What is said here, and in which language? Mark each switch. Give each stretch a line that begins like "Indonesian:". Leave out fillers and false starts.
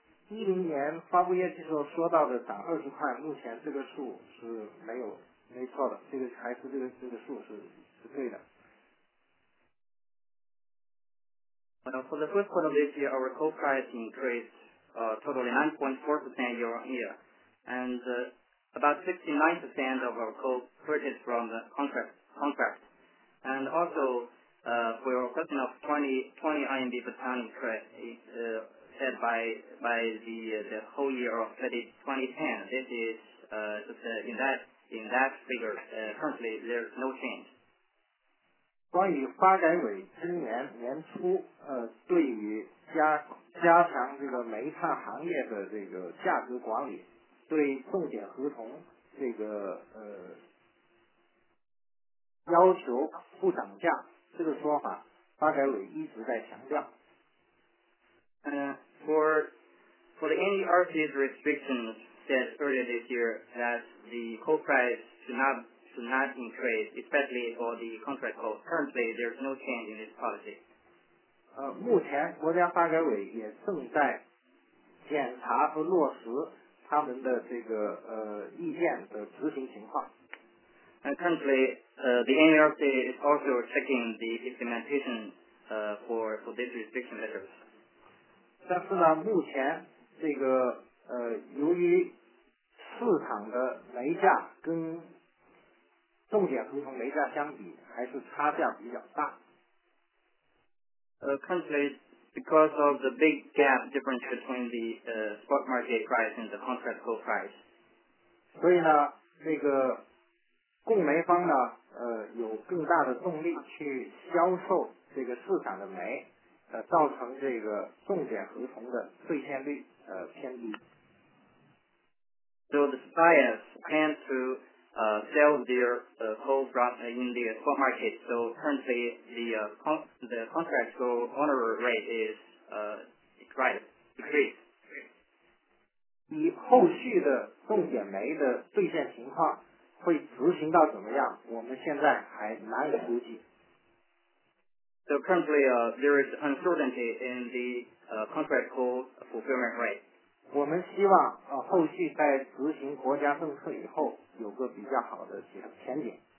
Chinese: 2010年发布业绩时候说到的涨20块，目前这个数是没有没错的，这个还是这个数是对的。
English: For the first quarter of this year, our coal price increased totally 9.4% year on year, and about 69% of our coal purchased from the contract. And also, for your question of 20 RMB per ton increase, said by the whole year of 2010, this is in that figure. Currently, there's no change.
Chinese: 关于发改委今年年初对于加强这个煤炭行业的这个价格管理，对送检合同这个要求不涨价这个说法，发改委一直在强调。
English: For the NDRC's restrictions said earlier this year that the coal price should not increase, especially for the contract coal. Currently, there's no change in this policy.
Chinese: 目前国家发改委也正在检查和落实他们的这个意见的执行情况。
English: Currently, the NRC is also checking the implementation for these restriction measures.
Chinese: 但是呢，目前这个由于市场的煤价跟重点合同煤价相比还是差价比较大。
English: Currently, because of the big gap difference between the spot market price and the contract coal price.
Chinese: 所以呢这个供煤方呢有更大的动力去销售这个市场的煤，造成这个重点合同的兑现率偏低。
English: So the suppliers tend to sell their coal brought in the spot market. So currently, the contract coal honor rate is decreased.
Chinese: 以后续的重点煤的兑现情况会执行到怎么样？我们现在还难以估计。
English: So currently, there is uncertainty in the contract coal fulfillment rate.
Chinese: 我们希望后续在执行国家政策以后有个比较好的前景。